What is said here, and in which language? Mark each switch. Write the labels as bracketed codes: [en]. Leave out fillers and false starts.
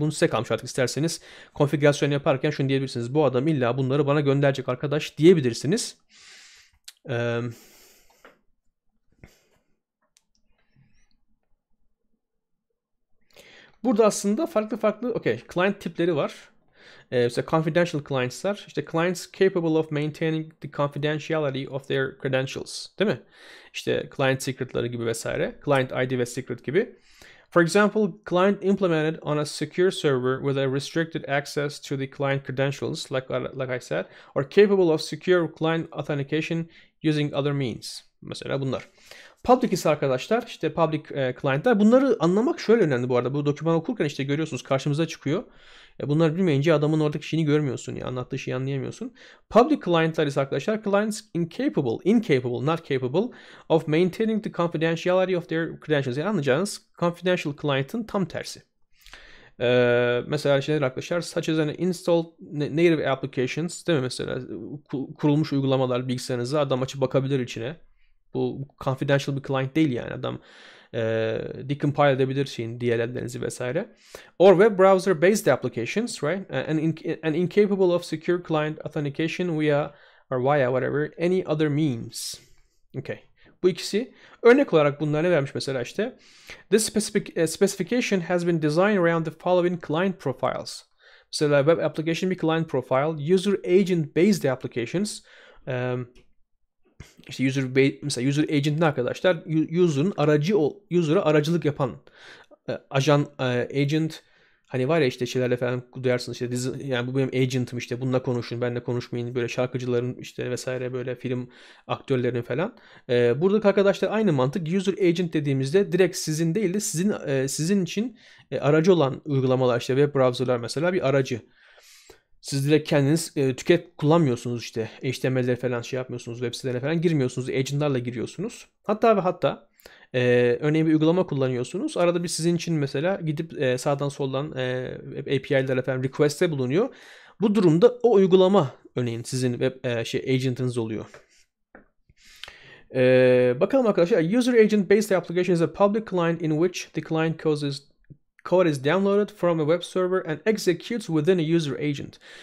[tr] Bunu size kalmış artık isterseniz konfigürasyon yaparken şunu diyebilirsiniz. Bu adam illa bunları bana gönderecek arkadaş diyebilirsiniz. Burada aslında farklı farklı okay, client tipleri var. Mesela confidential clients'lar. [en] İşte clients capable of maintaining the confidentiality of their credentials. [tr] Değil mi? İşte client secret'ları gibi vesaire. Client ID ve secret gibi. [en] For example, client implemented on a secure server with a restricted access to the client credentials, like I said, are capable of secure client authentication using other means. [tr] Mesela bunlar. Public ise arkadaşlar işte public client'ler. Bunları anlamak şöyle önemli bu arada. Bu doküman okurken işte görüyorsunuz karşımıza çıkıyor. Bunlar bilmeyince adamın oradaki şeyini görmüyorsun ya. Anlattığı şeyi anlayamıyorsun. Public client'ler ise arkadaşlar [en] clients incapable, not capable of maintaining the confidentiality of their credentials. [tr] Yani anlayacağınız confidential client'ın tam tersi. Mesela şeyler arkadaşlar [en] such as an installed native applications [tr] değil mi mesela kurulmuş uygulamalar bilgisayarınıza adam açıp bakabilir içine. Bu confidential bir client değil yani adam decompile edebilir şeyin DLL'lerinizi vesaire. [en] Or web browser based applications, right? And incapable of secure client authentication via whatever any other means. Okay. [tr] Bu ikisi örnek olarak bunlara vermiş mesela işte. [en] This specification has been designed around the following client profiles. So the web application bir client profile, user agent based applications. [tr] İşte user mesela user agent ne arkadaşlar? User'ın aracı ol, user'a aracılık yapan ajan agent. Hani var ya işte şeylerle falan duyarsınız işte dizi, yani bu benim agent'ım işte bununla konuşun benimle konuşmayın böyle şarkıcıların işte vesaire böyle film aktörlerin falan. Buradaki arkadaşlar aynı mantık user agent dediğimizde direkt sizin değil de sizin sizin için aracı olan uygulamalar işte web browser'lar mesela bir aracı. Siz direkt kendiniz kullanmıyorsunuz işte HTML'leri falan şey yapmıyorsunuz web sitelerine falan girmiyorsunuz agent'larla giriyorsunuz. Hatta ve hatta. Örneğin bir uygulama kullanıyorsunuz. Arada bir sizin için mesela gidip sağdan soldan API'ler efendim request'te bulunuyor. Bu durumda o uygulama örneğin sizin web şey agent'ınız oluyor. Bakalım arkadaşlar. [en] User agent based application is a public client in which the client causes code is downloaded from a web server and executes within a user agent.